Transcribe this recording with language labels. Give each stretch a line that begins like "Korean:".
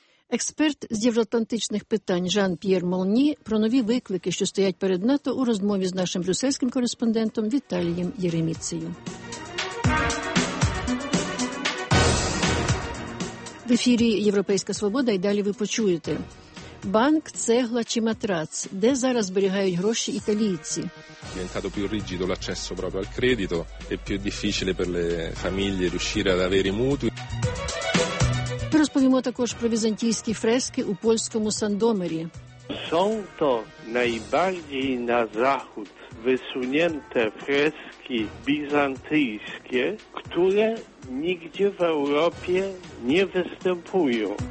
Ukrainian: Експерт з євроатлантичних питань Жан-П'єр Молні про нові виклики, що стоять перед НАТО, у розмові з нашим брюссельським кореспондентом Віталієм Єреміцею. В ефірі «Європейська свобода» і далі ви почуєте. Банк, цегла чи матрац? Де зараз зберігають гроші італійці?
Italian: Diventato più rigido l'accesso proprio al credito e più difficile per le famiglie riuscire ad avere mutui.
Ukrainian: Ми розповімо також про візантійські фрески у польському Сандомері.
Italian: Sono
Ukrainian: найбільші на захід висунуті фрески бізантійські, які нігде в Європі не виступають.